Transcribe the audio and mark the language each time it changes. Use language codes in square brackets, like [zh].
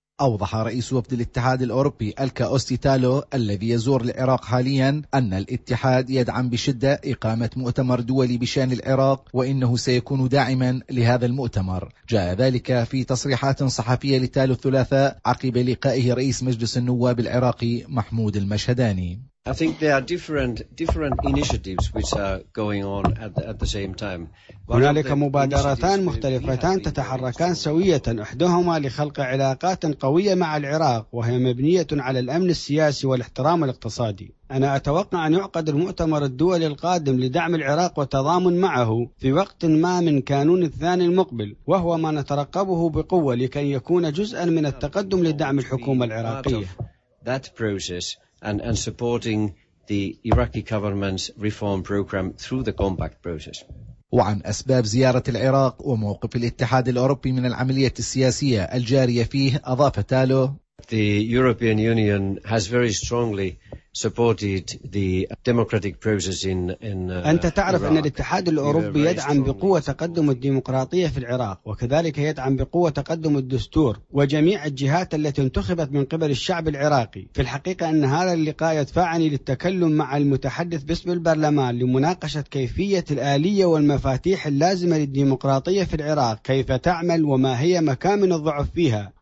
[ar] أوضح رئيس وفد الاتحاد الأوروبي ألكا أوستيتالو الذي يزور العراق حاليا أن الاتحاد يدعم بشدة إقامة مؤتمر دولي بشأن العراق وإنه سيكون داعما لهذا المؤتمر. جاء ذلك في تصريحات صحفية لتالو الثلاثاء عقب لقائه رئيس مجلس النواب العراقي محمود المشهداني. [en] I think there are different initiatives which are going on at the same time. [ar] هنالك مبادرتان مختلفتان تتحركان سوية إحداهما لخلق علاقات قوية مع العراق وهي مبنية على الأمن السياسي والاحترام الاقتصادي. أنا أتوقع أن يعقد المؤتمر الدولي القادم لدعم العراق وتضامن معه في وقت ما من كانون الثاني المقبل وهو ما نترقبه بقوة لكي يكون جزءا من التقدم لدعم الحكومة العراقية. [en] That process and supporting the Iraqi government's reform program through the compact process. [ar] وعن أسباب زيارة العراق وموقف الاتحاد الأوروبي من العملية السياسية الجارية فيه أضاف تالو. [en] The European Union has very strongly supported the democratic process in [ar] أنت تعرف أن الاتحاد الأوروبي يدعم بقوة تقدم الديمقراطية في العراق، وكذلك يدعم بقوة تقدم الدستور وجميع الجهات التي انتخبت من قبل الشعب العراقي. في الحقيقة أن هذا اللقاء يدفعني للتكلم مع المتحدث باسم البرلمان لمناقشة كيفية الآلية والمفاتيح اللازمة للديمقراطية في العراق، كيف تعمل وما هي مكامن الضعف فيها.